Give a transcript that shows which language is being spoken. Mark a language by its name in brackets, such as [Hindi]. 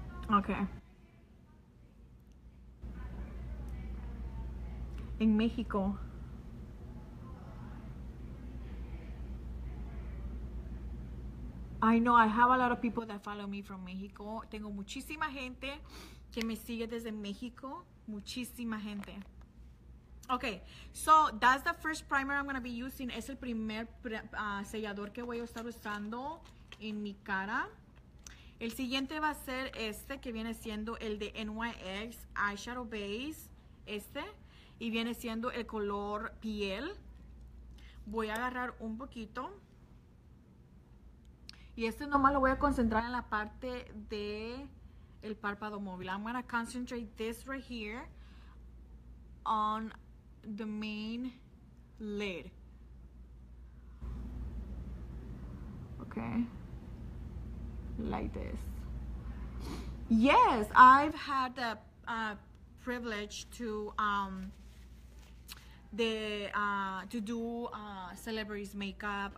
[English] Okay. In Mexico. I know I have a lot of people that follow me from Mexico. [Spanish] Tengo muchísima gente que me sigue desde México. Muchísima gente. [English] Okay, so that's the first primer I'm going to be using. [Spanish] Es el primer sellador que voy a estar usando en mi cara. El siguiente va a ser este, que viene siendo el de NYX Eyeshadow Base. Este. Y viene siendo el color piel. Voy a agarrar un poquito. Y este nomás lo voy a concentrar en la parte de el párpado móvil. [English] I'm going to concentrate this right here on the main lid. Okay. Like this. Yes, I've had the privilege to do celebrities makeup.